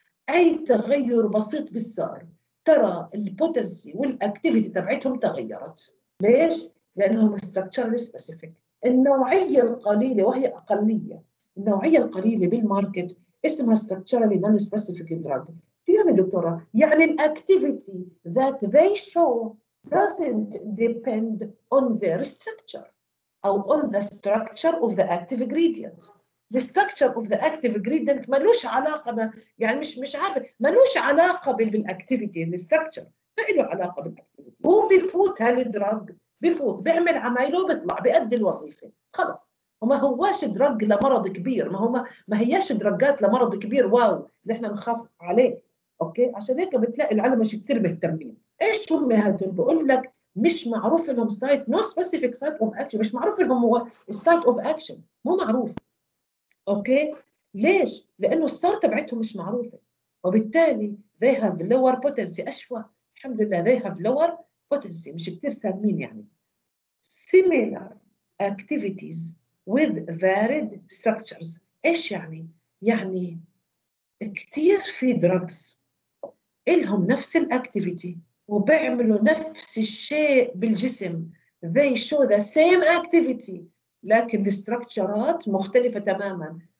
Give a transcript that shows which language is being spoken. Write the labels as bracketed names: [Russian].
[Arabic] أي تغير بسيط بالسار ترى البوتنسي والأكتيفيتي تبعتهم تغيرت. ليش؟ لأنهم ستركتشر سبيسيفيك. النوعية القليلة وهي أقلية، النوعية القليلة بالماركت اسمها ستركتشر نون سبيسيفيك دراج. يعني دكتورة يعني الأكتيفيتي [English] that they show doesn't depend on their structure [Arabic] أو [English] on the structure of the active ingredient. The structure of the active ingredient [Arabic] ملوش علاقة، يعني مش عارفة، ملوش علاقة بالactivity. [English] The structure [Arabic] ما إله علاقة بالactivity. هو بيفوت هالدرج، بيفوت بيعمل عمايله بيطلع بيأدي الوظيفة خلص، وما هواش درج لمرض كبير، ما هياش درجات لمرض كبير واو اللي احنا نخاف عليه. أوكي عشان هيك بتلاقي العالم مش كتير مهتمين. إيش هم هدول؟ بقول لك مش معروف لهم سايت، نو سبيسيفيك سايت اوف اكشن، مش معروف لهم هو السايت اوف اكشن، مو معروف. اوكي ليش؟ لانه السار تبعتهم مش معروفه، وبالتالي [English] they have lower potency. [Arabic] اشوى الحمد لله [English] they have lower potency، [Arabic] مش كتير سامين. يعني [English] similar activities with varied structures. [Arabic] ايش يعني؟ يعني كتير في drugs لهم نفس الاكتيفيتي وبيعملوا نفس الشيء بالجسم، [English] they show the same activity [Arabic] لكن الستركتشرات مختلفة تماما.